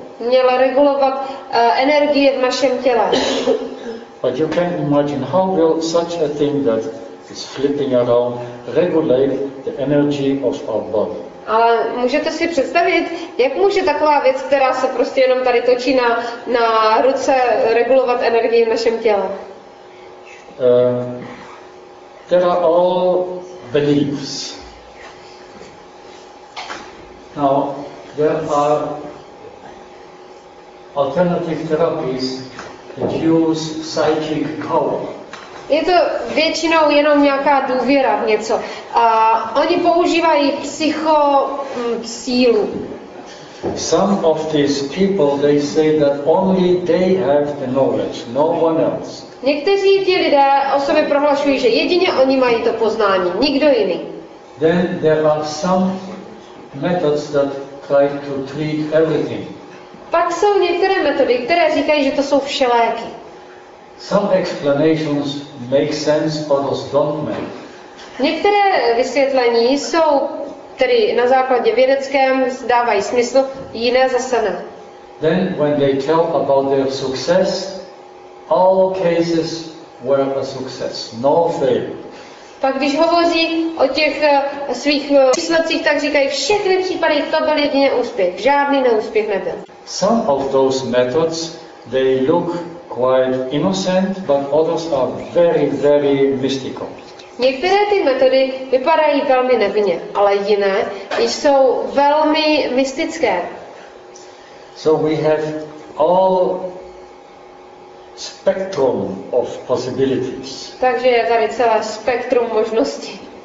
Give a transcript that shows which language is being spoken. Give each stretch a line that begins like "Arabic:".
Czech: Měla regulovat energie v našem těle.
English: But you can imagine how will such a thing that is flipping around regulate the energy of our body.
Czech: Ale můžete si představit, jak může taková věc, která se prostě jenom tady točí na ruce, regulovat energii v našem těle?
English: There are all beliefs. Now, there are alternative therapies use psychic power.
Czech: Je to většinou jenom nějaká důvěra v něco. A oni používají psycho sílu.
English: Some of these people they say that only they have the knowledge, no one else.
Czech: Někteří ti lidé o sobě prohlašují, že jedině oni mají to poznání, nikdo jiný.
English: Then there are some methods that try to treat everything.
Czech: Pak jsou některé metody, které říkají, že to jsou všeléky.
English: Some explanations make sense, others don't make.
Czech: Některé vysvětlení jsou tedy na základě vědeckém dávají smysl, jiné zase ne.
English: Then when they tell about their success, all cases were a success, no fail.
Czech: Pak když hovoří o těch svých výsledcích, tak říkají, všechny případy to byl jedině úspěch, žádný neúspěch nebyl.
English: Some of those methods they look quite innocent, but others are very, very mystical.
Czech: Některé ty metody vypadají velmi nevinně, ale jiné jsou velmi mystické.
English: So we have all spectrum of possibilities.
Czech: Takže je tady celé spektrum možností.